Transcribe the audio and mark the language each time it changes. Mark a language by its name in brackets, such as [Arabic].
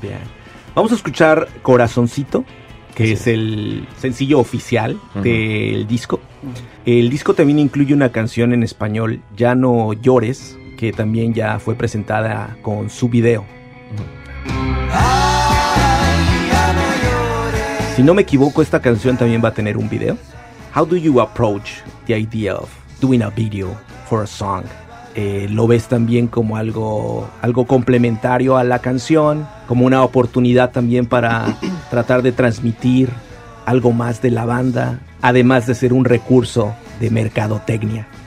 [Spanish] Bien. Vamos a escuchar Corazoncito, que es el sencillo oficial del disco. El disco también incluye una canción en español, Ya no llores, que también ya fue presentada con su video. Si no me equivoco, esta canción también va a tener un video. [English] How do you approach the idea of doing a video for a song? [Spanish] ¿Lo ves también como algo complementario a la canción? ¿Como una oportunidad también para tratar de transmitir algo más de la banda, además de ser un recurso de mercadotecnia?